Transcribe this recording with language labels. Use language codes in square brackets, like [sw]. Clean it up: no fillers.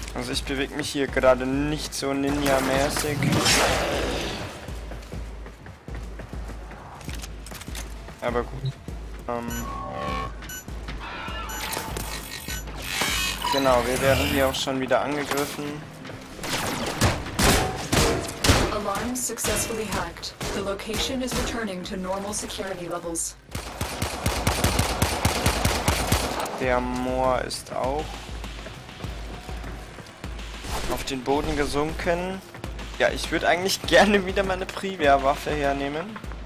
[de] Ich bewege mich hier gerade nicht so Ninja-mäßig. Aber gut. Genau, wir werden hier auch schon wieder angegriffen. [en] Alarm successfully hacked. The location is returning to normal security levels. [de] Der Moor ist auch auf den Boden gesunken. Ja, ich würde eigentlich gerne wieder meine Primärwaffe hernehmen.